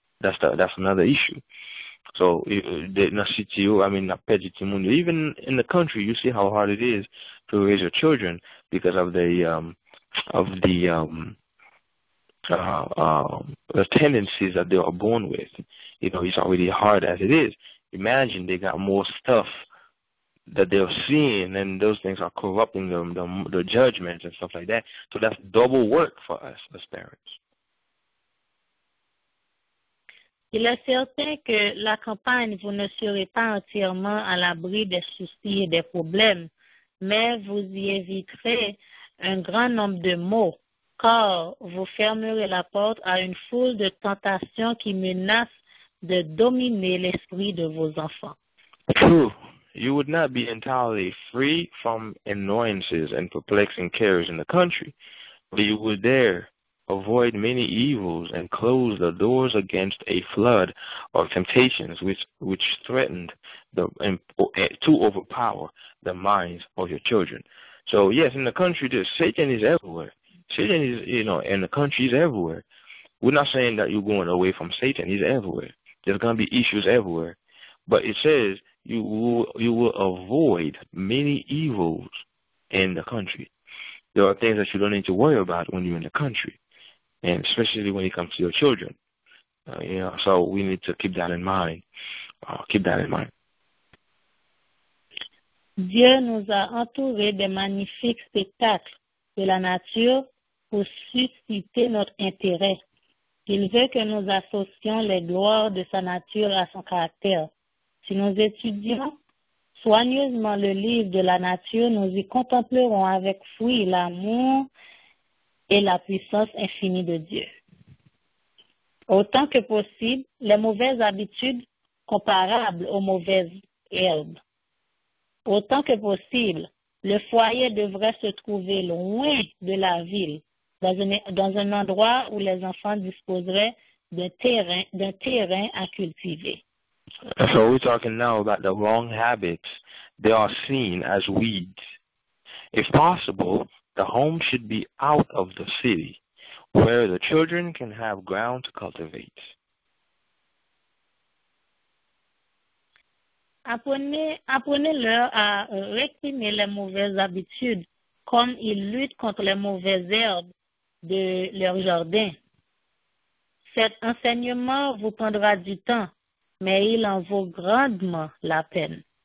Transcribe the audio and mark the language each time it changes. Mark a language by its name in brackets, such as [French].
[English] That's another issue. So even in the country you see how hard it is to raise your children because of the tendencies that they are born with. You know, it's already hard as it is. Imagine they got more stuff that they're seeing, and those things are corrupting them, the judgments and stuff like that. So that's double work for us as parents. [French] Il est certain que la campagne, vous ne serez pas entièrement à l'abri des soucis et des problèmes, mais vous y éviterez un grand nombre de maux. Car vous fermerez la porte à une foule de tentations qui menacent de dominer l'esprit de vos enfants. [English] True. You would not be entirely free from annoyances and perplexing cares in the country, but you would there avoid many evils and close the doors against a flood of temptations which threatened to overpower the minds of your children. So, yes, in the country, Satan is everywhere. Satan is, you know, and the country is everywhere. We're not saying that you're going away from Satan. He's everywhere. There's going to be issues everywhere. But it says you will avoid many evils in the country. There are things that you don't need to worry about when you're in the country, and especially when it comes to your children. So we need to keep that in mind. Keep that in mind. [French] Dieu nous a entouré de magnifiques spectacles de la nature pour susciter notre intérêt. Il veut que nous associons les gloires de sa nature à son caractère. Si nous étudions soigneusement le livre de la nature, nous y contemplerons avec fruit l'amour et la puissance infinie de Dieu. Autant que possible, les mauvaises habitudes comparables aux mauvaises herbes. Autant que possible, le foyer devrait se trouver loin de la ville, dans un endroit où les enfants disposeraient d'un terrain à cultiver. [English] So we're talking now about the wrong habits. They are seen as weeds. If possible, the home should be out of the city, where the children can have ground to cultivate. [French] Apprenez-leur à réprimer les mauvaises habitudes, comme ils luttent contre les mauvaises herbes de leur jardin. Cet enseignement vous prendra du temps, mais il en vaut grandement la peine.